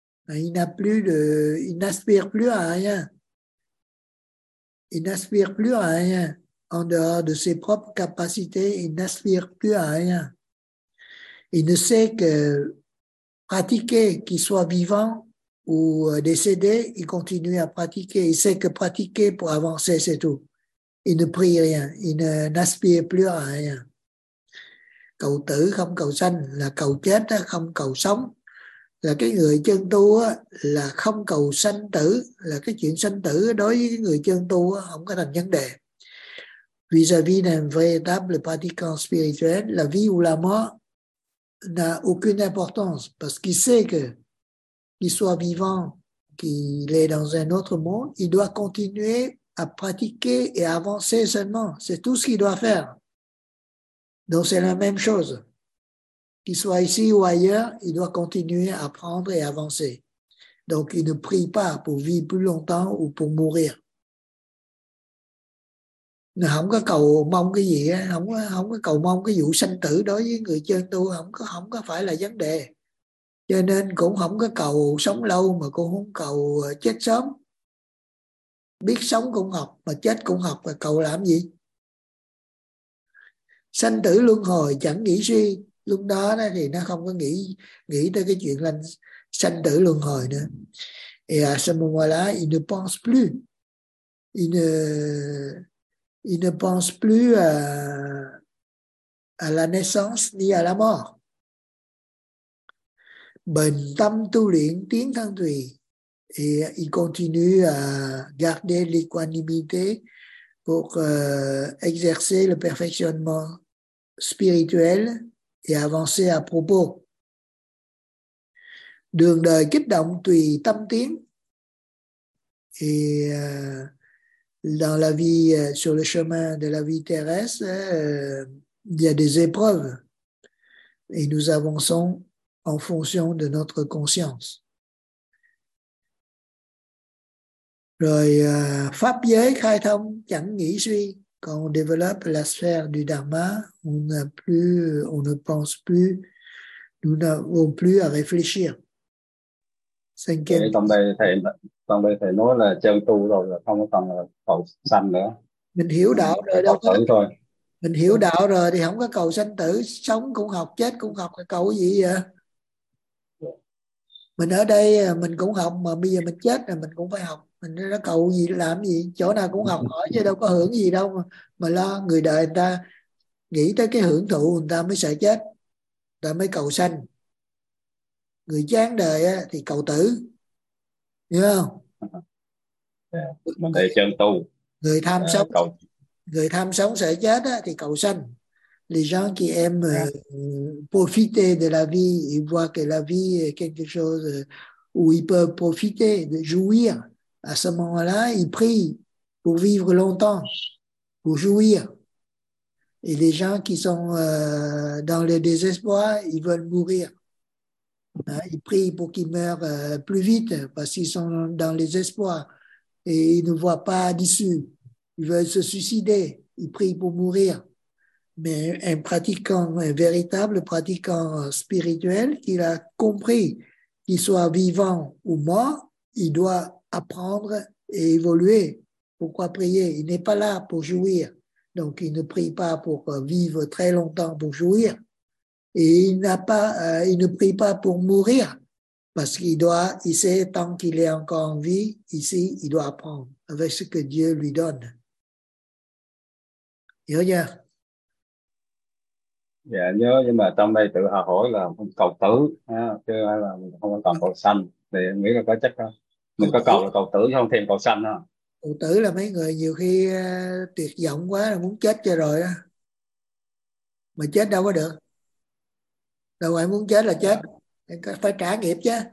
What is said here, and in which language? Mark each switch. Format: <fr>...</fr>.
<fr>Il n'aspire plus à rien. Il n'aspire plus à rien en dehors de ses propres capacités. Il n'aspire plus à rien. Il ne sait que pratiquer, qu'il soit vivant ou décédé, il continue à pratiquer. Il sait que pratiquer pour avancer, c'est tout. Il ne prie rien. Il n'aspire plus à rien.</fr> <vi>Cầu tử không cầu sanh là cầu chết không cầu sống. Là cái người chân tu là không cầu sanh tử. Là cái chuyện sanh tử đối với người chân tu không có thành vấn đề.</vi> <fr>Vis-à-vis d'un véritable pratiquant spirituel, la vie ou la mort n'a aucune importance. Parce qu'il sait que, qu'il soit vivant, qu'il est dans un autre monde, il doit continuer à pratiquer et à avancer seulement. C'est tout ce qu'il doit faire. Donc c'est la même chose. Qu'il soit ici ou ailleurs, il doit continuer à apprendre et avancer. Donc il ne prie pas pour vivre plus longtemps ou pour mourir.</fr> <vi>Nó không có cầu mong cái gì, không có cầu mong cái vụ sanh tử đối với người chân tu, không có phải là vấn đề. Cho nên cũng không có cầu sống lâu mà cũng không cầu chết sớm. Biết sống cũng học mà chết cũng học mà cầu làm gì? Sanh tử luân hồi chẳng nghĩ suy. Lúc đó thì nó không có nghĩ tới cái chuyện là sanh tử luân hồi nữa.</vi> <fr>Et à ce moment-là, il ne pense plus. Il ne pense plus à la naissance ni à la mort.</fr> <vi>Bền tâm tu luyện tiến thân tùy.</vi> <fr>Et il continue à garder l'équanimité pour exercer le perfectionnement spirituel et avancer à propos.</fr> <vi>Đường đời kích động tùy tâm tiến.</vi> <fr>Et dans la vie, sur le chemin de la vie terrestre, il y a des épreuves et nous avançons en fonction de notre conscience.</fr> <vi>Rồi, pháp giới khai thông chẳng nghĩ suy.</vi> <fr>Quand on développe la sphère du dharma, on ne pense plus, nous n'avons plus à réfléchir. Cinquième.</fr> <vi>Trong đây thầy nói là chân tu rồi, là không cần cầu sanh nữa. Mình hiểu đạo rồi đâu có. Thôi. Mình hiểu đạo rồi thì không có cầu sanh tử, sống cũng học, chết cũng học, cầu cái gì vậy? Mình ở đây mình cũng học, mà bây giờ mình chết rồi mình cũng phải học. Mình nó cầu gì làm gì, chỗ nào cũng học hỏi chứ đâu có hưởng gì đâu mà lo. Người đời người ta nghĩ tới cái hưởng thụ, người ta mới sợ chết, người ta mới cầu sanh. Người chán đời thì cầu tử, hiểu không? Thầy chân tu. Người tham sống sợ chết thì cầu sanh.</vi> <fr>Les gens qui aiment profiter de la vie, ils voient que la vie est quelque chose où ils peuvent profiter, de jouir. À ce moment-là, ils prient pour vivre longtemps, pour jouir. Et les gens qui sont dans le désespoir, ils veulent mourir. Hein? Ils prient pour qu'ils meurent plus vite parce qu'ils sont dans les espoirs et ils ne voient pas d'issue. Ils veulent se suicider. Ils prient pour mourir. Mais un pratiquant, un véritable pratiquant spirituel, qu'il a compris qu'il soit vivant ou mort, il doit apprendre et évoluer. Pourquoi prier? Il n'est pas là pour jouir. Donc, il ne prie pas pour vivre très longtemps pour jouir. Et il n'a pas, il ne prie pas pour mourir. Parce qu'il doit, il sait, tant qu'il est encore en vie, ici, il doit apprendre avec ce que Dieu lui donne. Il regarde.</fr> <vi>Dạ nhớ, nhưng mà trong đây tự học hỏi là mình cầu tử ha, chứ là mình không có cầu cầu sanh, thì em nghĩ là có chắc không, mình có cầu là cầu tử chứ không thêm cầu sanh ha. Cầu tử là mấy người nhiều khi tuyệt vọng quá là muốn chết cho rồi á, mà chết đâu có được, đâu phải muốn chết là chết, phải trả nghiệp chứ.</vi>